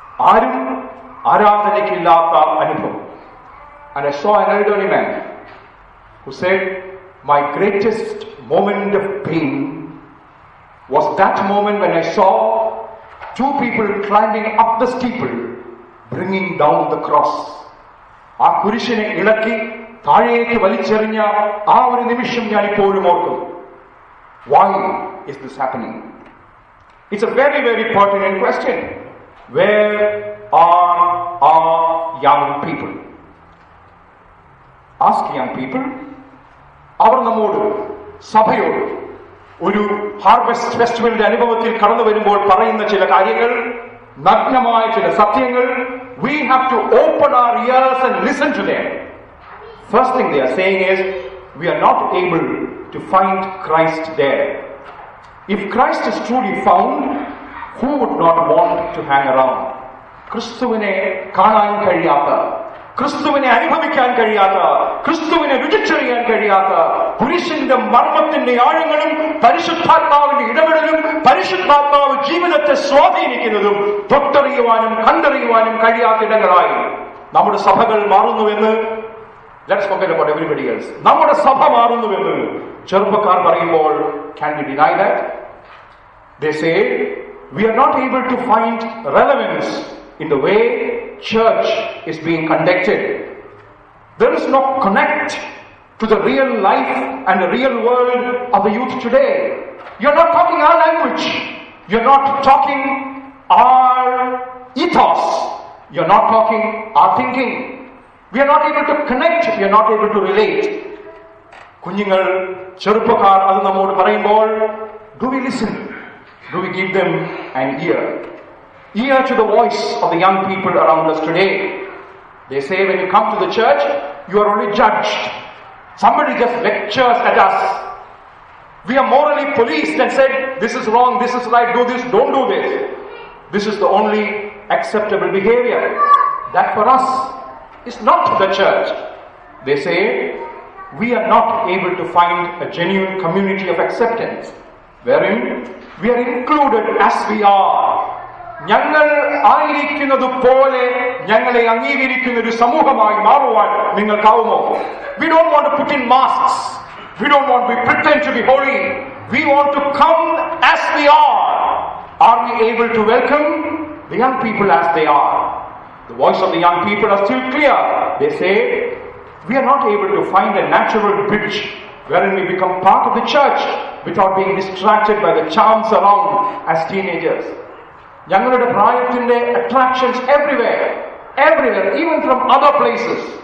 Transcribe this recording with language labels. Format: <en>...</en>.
<ml>ആരും ആരാധനയ്ക്കില്ലാത്ത അനുഭവം.</ml> <en>And I saw an elderly man who said my greatest moment of pain was that moment when I saw two people climbing up the steeple bringing down the cross.</en> <ml>ആ കുരിശിനെ ഇളക്കി താഴേക്ക് വലിച്ചെറിഞ്ഞ ആ ഒരു നിമിഷം ഞാൻ ഇപ്പോഴും ഓർക്കും.</ml> <en>Why is this happening? It's a very, very pertinent question. Where are our young people? Ask young people.</en> <ml>അവർ നമ്മോട്, സഭയോട് ഒരു ഹാർവെസ്റ്റ് ഫെസ്റ്റിവലിന്റെ അനുഭവത്തിൽ കടന്നു വരുമ്പോൾ പറയുന്ന ചില കാര്യങ്ങൾ, നഗ്നമായ ചില സത്യങ്ങൾ.</ml> <en>We have to open our ears and listen to them. First thing they are saying is, we are not able to find Christ there. If Christ is truly found, who would not want to hang around?</en> <ml>ക്രിസ്തുവിനെ കാണാൻ കഴിയാത്ത, ക്രിസ്തുവിനെ അനുഭവിക്കാൻ കഴിയാത്ത, ക്രിസ്തുവിനെ രുചിച്ചറിയാൻ കഴിയാത്ത പുരുഷന്റെ മർമ്മത്തിന്റെ ആഴങ്ങളും പരിശുദ്ധാത്മാവിന്റെ ഇടപെടലും പരിശുദ്ധാത്മാവ് ജീവിതത്തെ സ്വാധീനിക്കുന്നതും തൊട്ടറിയുവാനും കണ്ടറിയുവാനും കഴിയാത്ത ഇടങ്ങളായി നമ്മുടെ സഭകൾ മാറുന്നുവെന്ന്,</ml> <en>let's forget about everybody else,</en> <ml>നമ്മുടെ സഭ മാറുന്നുവെന്ന് ചെറുപ്പക്കാർ പറയുമ്പോൾ,</ml> <en>can we deny that? They say we are not able to find relevance in the way church is being conducted. There is no connect to the real life and the real world of the youth today. You are not talking our language. You are not talking our ethos. You are not talking our thinking. We are not able to connect. We are not able to relate.</en> <ml>കുഞ്ഞുങ്ങൾ, ചെറുപ്പക്കാർ അത് നമ്മോട് പറയുമ്പോൾ,</ml> <en>do we listen? Do we give them an ear? Ear to the voice of the young people around us today. They say when you come to the church, you are only judged. Somebody just lectures at us. We are morally policed and said, this is wrong, this is right, do this, don't do this. This is the only acceptable behavior. That for us is not the church. They say, we are not able to find a genuine community of acceptance, wherein we are included as we are.</en> <ml>ഞങ്ങൾ ആയിരിക്കുന്നത് പോലെ ഞങ്ങളെ അംഗീകരിക്കുന്ന ഒരു സമൂഹമായി മാറുവാൻ നിങ്ങൾക്കാവുമോ?</ml> <en>We don't want to put in masks. We don't want to be pretend to be holy. We want to come as we are. Are we able to welcome the young people as they are? The voice of the young people are still clear. They say, we are not able to find a natural bridge wherein we become part of the church without being distracted by the charms around as teenagers.</en> <ml>ഞങ്ങളുടെ പ്രായത്തിന്റെ</ml> <en>attractions everywhere, even from other places.</en>